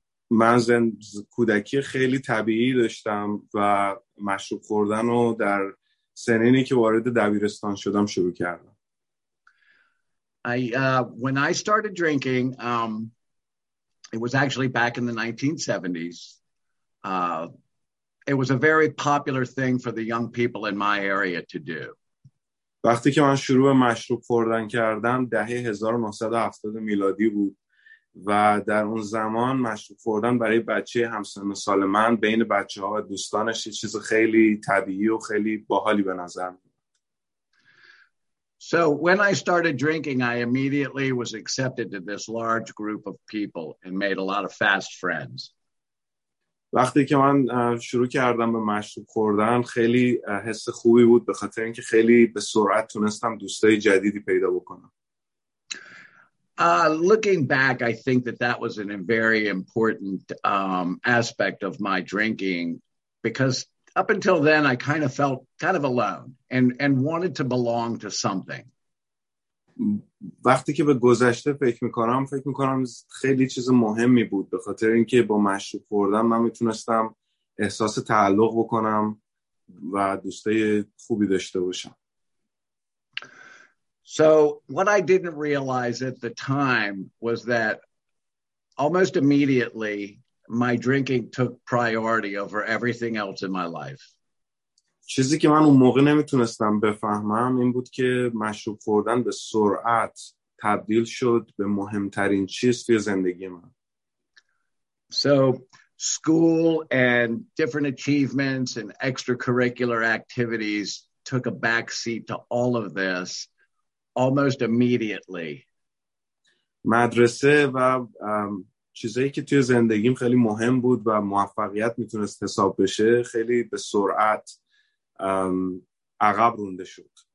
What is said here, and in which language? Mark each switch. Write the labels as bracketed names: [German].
[Persian] من کودکی خیلی طبیعی داشتم و مشروب خوردن رو در سنینی که وارد دبیرستان شدم شروع کردم. [English] When I started drinking, it was actually back in the 1970s. It was a very popular thing for the young people in my area to do. [Persian] وقتی که من شروع به مشروب خوردن کردم دهه 1970 میلادی بود و در اون زمان مشروب خوردن برای بچه همسن و سال من بین بچه ها و دوستانش یه چیز خیلی طبیعی و خیلی باحالی به نظر می آمد. [English] So when I started drinking, I immediately was accepted to this large group of people and made a lot of fast friends. [Persian] وقتی که من شروع کردم به مشروب خوردن خیلی حس خوبی بود به خاطر اینکه خیلی به سرعت تونستم دوستای جدیدی پیدا بکنم. [English] Looking back, I think that was a very important aspect of my drinking because up until then I kind of felt kind of alone and wanted to belong to something. [Persian] وقتی که به گذشته فکر میکنم خیلی چیز مهمی بود به خاطر اینکه با مشروب خوردم من میتونستم احساس تعلق بکنم و دوستای خوبی داشته باشم. [English] So what I didn't realize at the time was that almost immediately my drinking took priority over everything else in my life. [Persian] چیزی که من اون موقع نمیتونستم بفهمم این بود که مشروب خوردن به سرعت تبدیل شد به مهمترین چیز توی زندگی من. [English] So school and different achievements and extracurricular activities took a backseat to all of this almost immediately. [Persian] مدرسه و چیزایی که توی زندگیم خیلی مهم بود و موفقیت میتونست حساب بشه خیلی به سرعت عقب رونده شد.